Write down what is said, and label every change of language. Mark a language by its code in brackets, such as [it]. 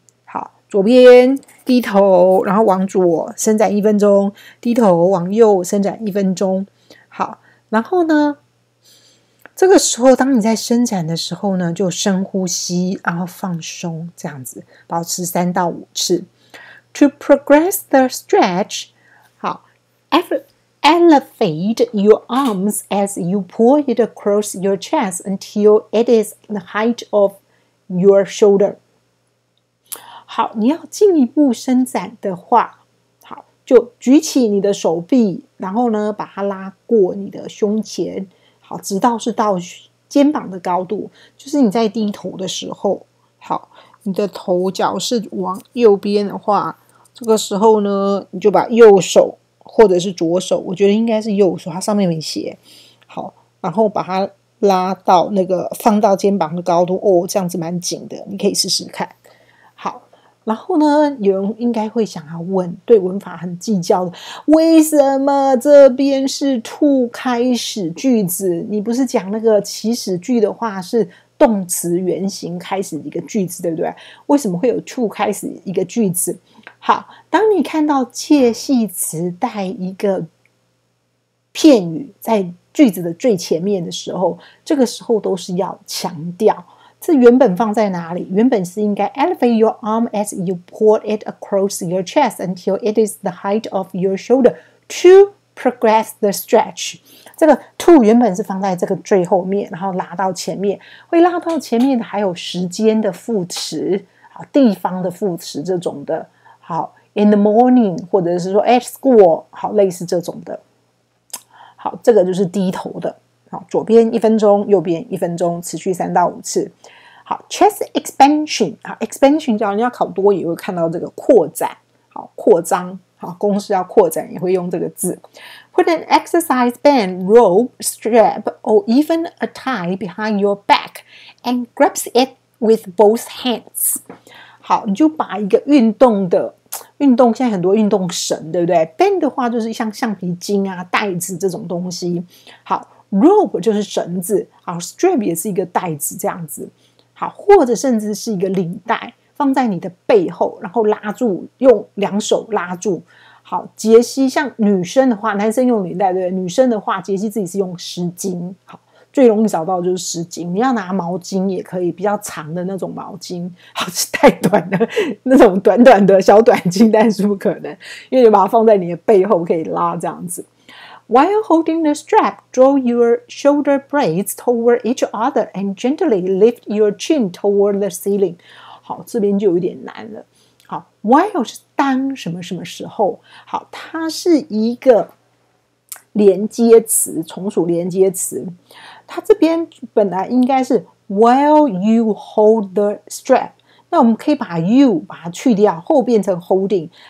[zh] 好，左边低头，然后往左伸展一分钟，低头往右伸展一分钟。好，然后呢，这个时候当你在伸展的时候呢，就深呼吸，然后放松，这样子，保持3到5次。 [en] To progress the stretch, 好 effort. Elevate your arms as you pull it across your chest until it is the height of your shoulder. [zh] 好，你要进一步伸展的话，好，就举起你的手臂，然后呢，把它拉过你的胸前，好，直到是到肩膀的高度，就是你在低头的时候，好，你的头脚是往右边的话，这个时候呢，你就把右手或者是左手，我觉得应该是右手，它上面没写。好，然后把它拉到那个放到肩膀的高度，哦，这样子蛮紧的，你可以试试看。好，然后呢，有人应该会想要问，对文法很计较的，为什么这边是 to 开始句子？你不是讲那个起始句的话是动词原形开始一个句子，对不对？为什么会有 to 开始一个句子？好，当你看到介系词带一个片语在句子的最前面的时候，这个时候都是要强调。这原本放在哪里？原本是应该 [en] elevate your arm as you pull it across your chest until it is the height of your shoulder to progress the stretch。 [zh] 这个 to 原本是放在这个最后面，然后拉到前面，会拉到前面的还有时间的副词，好，地方的副词这种的。好 ， [en] in the morning， [zh] 或者是说 [en] at school， [zh] 好，类似这种的。好，这个就是低头的。好，左边一分钟，右边一分钟，持续3到5次。好 ，chest expansion， 好 ，expansion 叫人家考多也会看到这个扩展，好，扩张，好，公式要扩展也会用这个字。 [en] Put an exercise band, rope, strap, or even a tie behind your back, and grasp it with both hands. [zh] 好，你就把一个运动，现在很多运动绳，对不对 ？Band 的话就是像橡皮筋啊、带子这种东西。好 ，rope 就是绳子，好 ，strap 也是一个带子这样子。好，或者甚至是一个领带，放在你的背后，然后拉住，用两手拉住。好，杰西像女生的话，男生用领带，对不对？女生的话，杰西自己是用湿巾。好。最容易找到的就是湿巾，你要拿毛巾也可以，比较长的那种毛巾，好是太短的那种短短的小短巾，但是不可能，因为你把它放在你的背后可以拉这样子。 [en] While holding the strap, draw your shoulder blades toward each other and gently lift your chin toward the ceiling. [zh] 好，这边就有点难了。好 ，while 是当什么什么时候？好，它是一个连接词，从属连接词。它这边本来应该是 [en] while you hold the strap， [zh] 那我们可以把 you 把它去掉，后变成 holding。